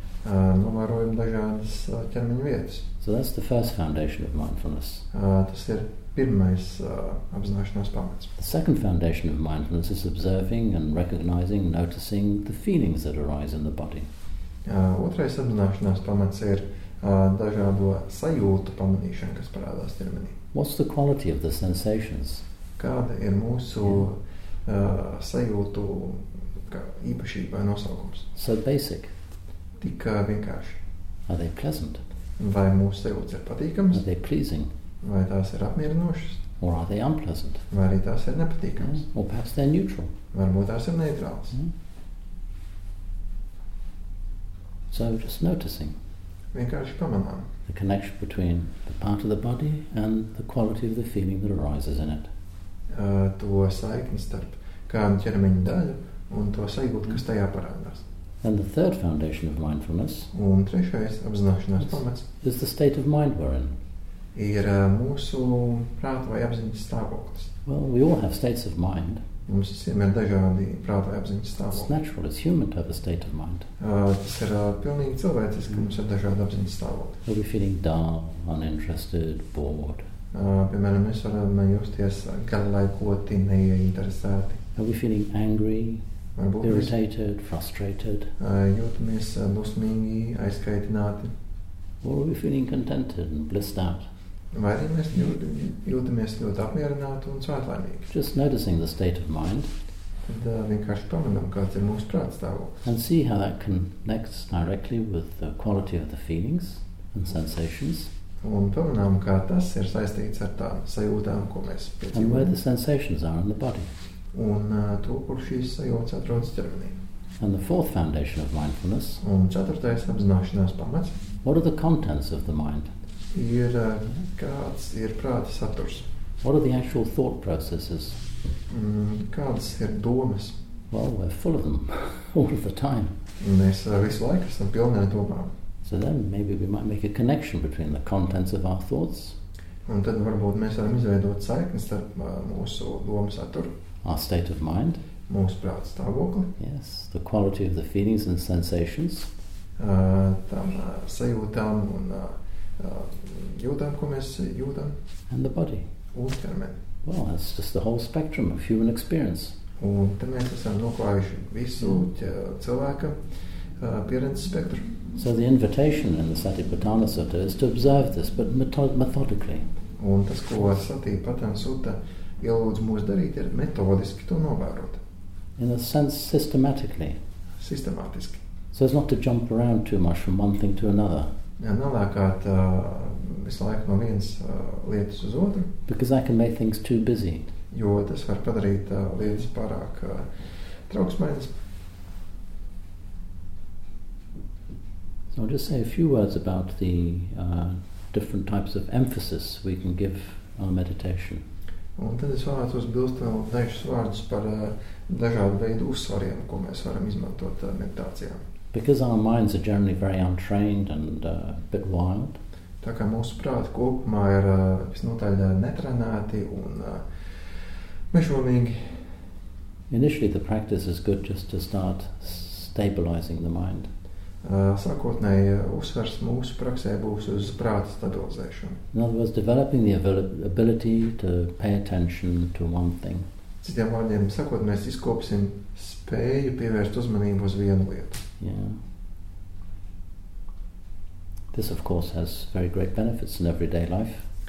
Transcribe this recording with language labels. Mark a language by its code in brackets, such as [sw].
[lv] Novērojam dažādas ķermeņa vietas. [en] So that's the first foundation of mindfulness. [lv] Tas ir pirmais apzināšanās pamats. [en] The second foundation of mindfulness is observing and recognizing, noticing the feelings that arise in the body. [lv] Otrais apzināšanās pamats ir dažādo sajūtu pamanīšana, kas parādās ķermenī. [en] What's the quality of the sensations? [lv] Kāda ir mūsu sajūtu kā īpašība vai nosaukums? [en] So basic. [lv] Tik vienkārši. [en] Are they pleasant? [lv] Vai mūsu sajūtas ir patīkamas? [en] Are they pleasing? [lv] Vai tās ir apmierinošas? [en] Or are they unpleasant? [lv] Vai arī tās ir nepatīkamas? [en] Yeah. Or perhaps they're neutral? [lv] Varbūt tās ir neitrāls. [en] So just noticing. [lv] Vienkārši pamanām. [en] The connection between the part of the body and the quality of the feeling that arises in it. [lv] To saikni starp kādu ķermeņu daļu un to sajūtu, kas tajā parādās. [en] And the third foundation of mindfulness [lv] un trešais apzināšanās pamats [en] is the state of mind we're in. [lv] Ir mūsu prāta vai apziņas stāvoklis. [en] Well, we all have states of mind. [lv] Mums visiem ir dažādi prāta apziņas stāvokļi. [en] It's natural, it's human to have a state of mind. [lv] Tas ir pilnīgi cilvēcis, ka mums ir dažādi apziņas stāvokļi. [en] We'll be feeling dull, uninterested, bored. [lv] Piemēram, mēs varam jūsties garlaikoti, neinteresēti. [en] Are we feeling angry, irritated, frustrated? [lv] Jūtamies dusmīgi, aizkaitināti. [en] Or are we feeling contented and blissed out? [lv] Vai arī mēs jūtamies ļoti apmierināti un svētlaimīgi? [en] Just noticing the state of mind. [lv] Tad vienkārši pamanam, kāds ir mūsu prāta stāvoklis. [en] And see how that connects directly with the quality of the feelings and sensations. [lv] Un pamanām, kā tas ir saistīts ar tām sajūtām, ko mēs piedzīvojam. [en] And where the sensations are in the body. [lv] Un to, kur šīs sajūtas atrodas ķermenī. [en] And the fourth foundation of mindfulness. [lv] Un ceturtais apzināšanās pamats. [en] What are the contents of the mind? [lv] Ir kāds ir prāta saturs. [en] What are the actual thought processes? [lv] Kādas ir domas? [en] Well, we're full of them all of the time. [lv] Mēs visu laiku esam pilni ar domām. [en] So then maybe we might make a connection between the contents of our thoughts. [lv] Un tad varbūt mēs varam izveidot saikni starp mūsu domu saturu. [en] Our state of mind. [lv] Mūsu prāta stāvokli. [en] Yes, the quality of the feelings and sensations. [lv] Tām sajūtām un jūtām, ko mēs jūtām. [en] And the body. [lv] Un ķermeni. [en] Well, that's just the whole spectrum of human experience. [lv] Un tad mēs esam noklājuši visu cilvēka pieredzes spektru. [en] So the invitation in the Satipatthana Sutta is to observe this, but methodically. [lv] Un tas, ko Satipatthana Sutta ielūdz mūs darīt, ir metodiski to novērot. [en] In a sense, systematically. [lv] Sistemātiski. [en] So it's not to jump around too much from one thing to another. [lv] Ja nelākāt visu laiku no vienas lietas uz otru. [en] Because that can make things too busy. [lv] Jo tas var padarīt lietas pārāk trauksmainas. [en] So I'll just say a few words about the different types of emphasis we can give our meditation. [lv] Un tad es varētu uzbilst vēl dažus vārdus par dažādu veidu uzsvariem, ko mēs varam izmantot meditācijā. [en] Because our minds are generally very untrained and a bit wild. [lv] Tā kā mūsu prāti kopumā ir visnotaļ netrenēti un mežonīgi. [en] Initially the practice is good just to start stabilizing the mind. [lv] Sākotnēji uzsvars mūsu praksē būs uz prāta stabilizēšanu. [en] In other words, developing the ability to pay attention to one thing. [lv] Citiem vārdiem sakot, mēs izkopsim spēju pievērst uzmanību uz vienu lietu. [en] Yeah. This of course has very great benefits in everyday life.